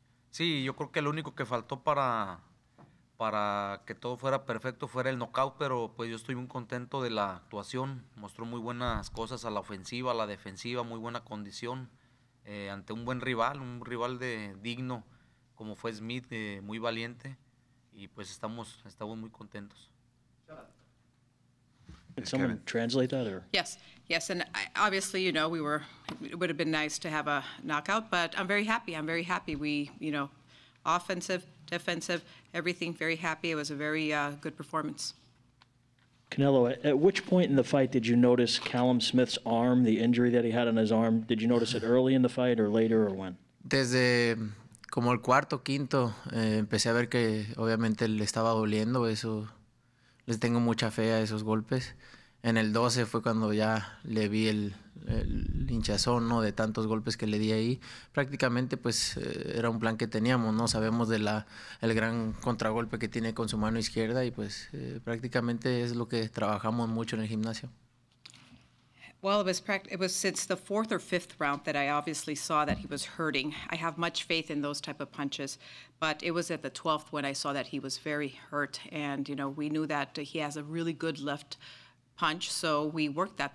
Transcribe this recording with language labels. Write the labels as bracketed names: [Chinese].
[Spanish] Sí, yo creo que lo único que faltó para que todo fuera perfecto fuera el knockout, pero pues yo estoy muy contento de la actuación. Mostró muy buenas cosas a la ofensiva, a la defensiva, muy buena condición ante un buen rival, un rival de digno como fue Smith, muy valiente, y pues estamos muy contentos. [English] Can someone translate that? Or? Yes, and obviously, you know, it would have been nice to have a knockout, but I'm very happy. We, you know, offensive, defensive, everything, very happy. It was a very good performance. Canelo, at which point in the fight did you notice Callum Smith's arm, the injury that he had on his arm? Did you notice it early in the fight or later or when? [Spanish] Desde como el cuarto, quinto, empecé a ver que obviamente le estaba doliendo. Eso, les tengo mucha fe a esos golpes. En el 12 fue cuando ya le vi el hinchazón, ¿no? De tantos golpes que le di ahí. Prácticamente, pues, era un plan que teníamos, ¿no? Sabemos de el gran contragolpe que tiene con su mano izquierda y, pues, prácticamente es lo que trabajamos mucho en el gimnasio. [English] Well, it was since the fourth or fifth round that I obviously saw that he was hurting. I have much faith in those type of punches, but it was at the 12th when I saw that he was very hurt. And, you know, we knew that he has a really good left punch, so we worked that.